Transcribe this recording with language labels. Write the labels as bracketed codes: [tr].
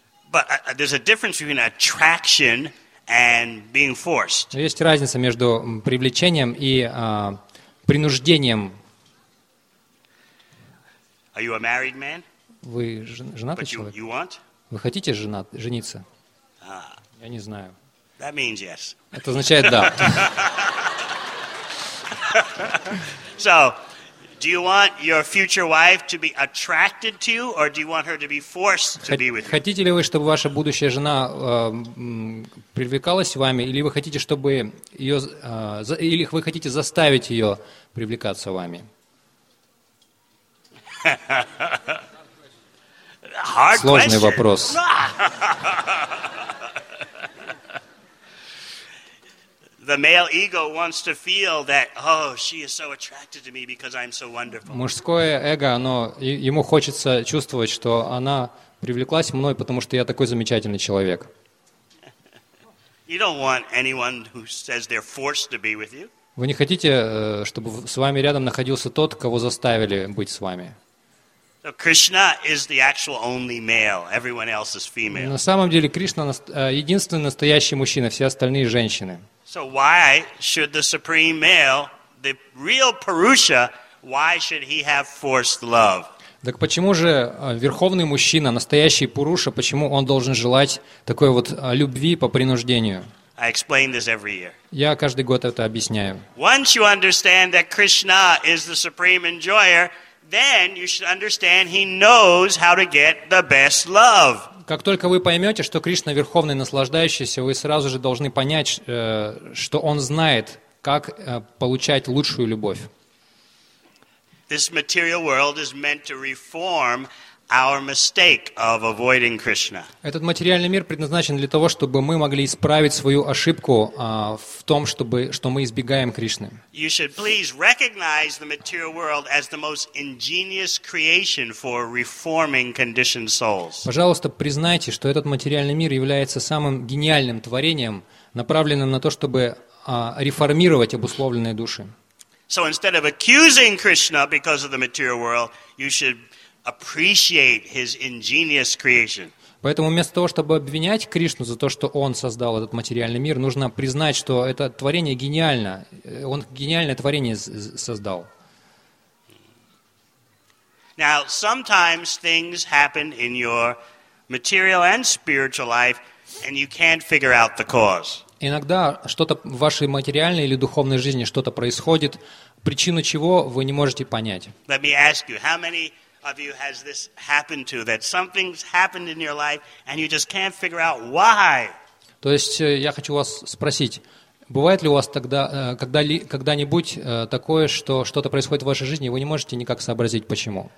[en] But there's a difference between attraction and being forced. [ru] Есть разница между привлечением и принуждением. [en] Are you a married man? [ru] Вы женатый человек? [en] You want? [ru] Вы хотите жениться? Я не знаю. [en] That means yes. [ru] Это означает да. [en] So. Do you want your future wife to be attracted to you, or do you want her to be forced to be with you? [ru] Хотите ли вы, чтобы ваша будущая жена привлекалась вами, или вы хотите, чтобы ее, или вы хотите заставить ее привлекаться вами? Сложный вопрос. [en] The male ego wants to feel that, oh, she is so attracted to me because I'm so wonderful. [ru] Мужское эго, оно ему хочется чувствовать, что она привлеклась мной, потому что я такой замечательный человек. [en] You don't want anyone who says they're forced to be with you. [ru] Вы не хотите, чтобы с вами рядом находился тот, кого заставили быть с вами. [en] So Krishna is the actual only male. Everyone else is female. [ru] На самом деле Кришна единственный настоящий мужчина, все остальные женщины. [en] So why should the supreme male, the real Purusha, why should he have forced love? [ru] Так почему же верховный мужчина, настоящий Пуруша, почему он должен желать такой вот любви по принуждению? [en] I explain this every year. [ru] Я каждый год это объясняю. [en] Once you understand that Krishna is the supreme enjoyer, then you should understand he knows how to get the best love. [ru] Как только вы поймете, что Кришна верховный наслаждающийся, вы сразу же должны понять, что он знает, как получать лучшую любовь. [en] This material world is meant to reform our mistake of avoiding Krishna. [ru] Этот материальный мир предназначен для того, чтобы мы могли исправить свою ошибку в том, чтобы что мы избегаем Кришны. [en] You should please recognize the material world as the most ingenious creation for reforming conditioned souls. [ru] Пожалуйста, признайте, что этот материальный мир является самым гениальным творением, направленным на то, чтобы реформировать обусловленные души. [en] So instead of accusing Krishna because of the material world, you should appreciate his ingenious creation. [ru] Поэтому вместо того, чтобы обвинять Кришну за то, что он создал этот материальный мир, нужно признать, что это творение гениально. Он гениальное творение создал. [en] Now, sometimes things happen in your material and spiritual life, and you can't figure out the cause. [ru] Иногда что-то в вашей материальной или духовной жизни что-то происходит, причину чего вы не можете понять. [en] Let me ask you, how many of you has this happened to, that something's happened in your life and you just can't figure out why? [ru] То есть я хочу вас спросить, бывает ли у вас тогда когда-нибудь такое, что что-то происходит в вашей жизни, и вы не можете никак сообразить почему?